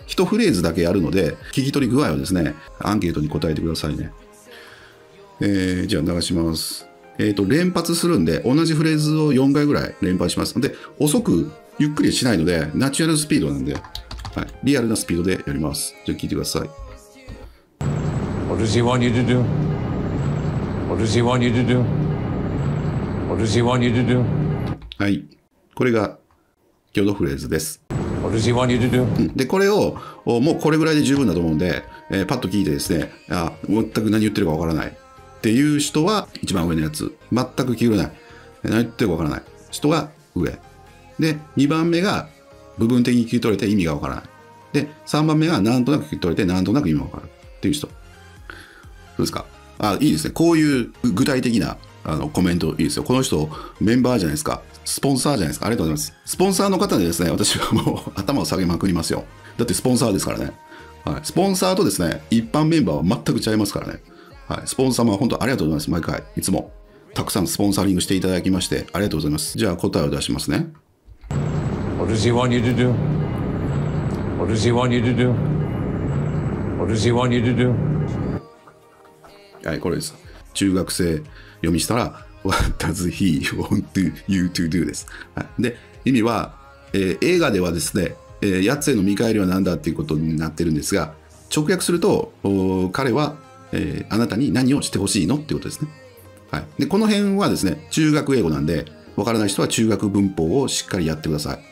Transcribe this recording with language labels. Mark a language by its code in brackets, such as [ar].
[ja] 一フレーズだけやるので、聞き取り具合をですね、アンケートに答えてくださいね。じゃあ流します。連発するんで、同じフレーズを4回ぐらい連発します。で、遅くゆっくりしないので、ナチュラルスピードなんで、はい、リアルなスピードでやります。じゃあ聞いてください。 [en] What does he want you to do? What does he want you to do? What does he want you to do? [ja] はい、これが今日のフレーズです。 [en] What does he want you to do? [ja] で、これをもうこれぐらいで十分だと思うんで、パッと聞いてですね、あ、全く何言ってるかわからないっていう人は一番上のやつ、全く聞こえない、何言ってるかわからない人が上で、2番目が部分的に聞き取れて意味がわからないで、3番目がなんとなく聞き取れてなんとなく意味がわかるっていう人。どうですか？あ、いいですね。こういう具体的なコメントいいですよ。この人メンバーじゃないですか、スポンサーじゃないですか。ありがとうございます。スポンサーの方でですね、私はもう頭を下げまくりますよ。だってスポンサーですからね、はい、スポンサーとですね、一般メンバーは全く違いますからね、はい、スポンサーも本当ありがとうございます。毎回いつもたくさんスポンサリングしていただきましてありがとうございます。じゃあ答えを出しますね。 [en] What does he want you to do? What does he want you to do? What does he want you to do? [ja] はい、これです。中学生読みしたら [en] What does he want you to do? [ja] です。はい、で、意味は、映画ではですね、やつへの見返りは何だっていうことになってるんですが、直訳すると彼は、あなたに何をしてほしいのっていうことですね。はい、で、この辺はですね、中学英語なんで、わからない人は中学文法をしっかりやってください。